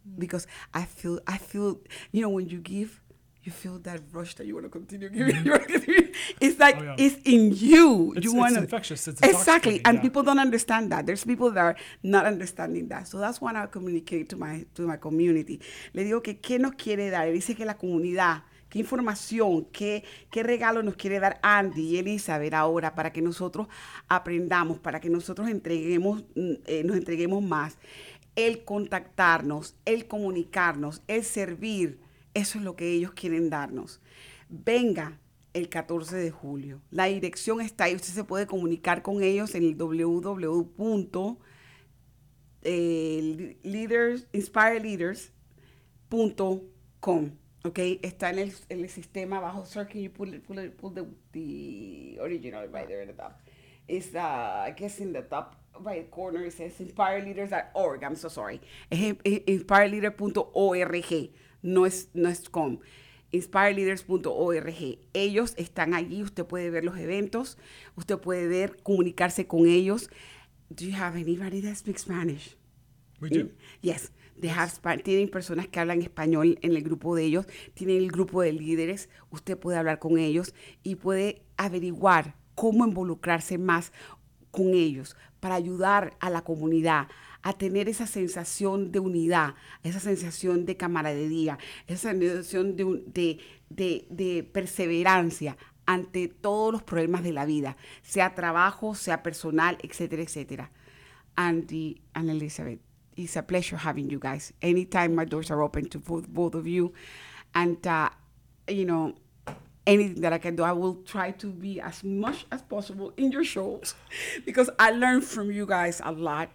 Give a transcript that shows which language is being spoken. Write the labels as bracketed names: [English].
[English] Because I feel, you know, when you give, you feel that rush that you want to continue giving. It's like, oh, yeah. It's in you. It's infectious. It's exactly. And people don't understand that. There's people that are not understanding that. So that's why I communicate to my community. [Spanish] Le digo que, ¿qué nos quiere dar? Él dice que la comunidad, ¿qué información, qué regalo nos quiere dar Andy y Elizabeth ahora para que nosotros aprendamos, para que nosotros nos entreguemos más? El contactarnos, el comunicarnos, el servir, eso es lo que ellos quieren darnos. Venga el 14 de julio. La dirección está ahí. Usted se puede comunicar con ellos en el www.inspireleaders.com. Okay, está en el sistema bajo Circuit. [English] You pull the original right there at the top. It's, I guess, in the top. Right corner, it says inspireleaders.org. I'm so sorry. [Spanish] Inspireleader.org. No es com. Inspireleaders.org. Ellos están allí. Usted puede ver los eventos. Usted puede ver, comunicarse con ellos. [English] Do you have anybody that speaks Spanish? We do. Yes. They have [Spanish] tienen personas que hablan español en el grupo de ellos. Tienen el grupo de líderes. Usted puede hablar con ellos y puede averiguar cómo involucrarse más con ellos, para ayudar a la comunidad a tener esa sensación de unidad, esa sensación de camaradería, esa sensación de perseverancia ante todos los problemas de la vida, sea trabajo, sea personal, etcétera, etcétera. [English] Andy and Elizabeth, it's a pleasure having you guys. Anytime my doors are open to both of you, and you know, anything that I can do, I will try to be as much as possible in your shows, because I learned from you guys a lot.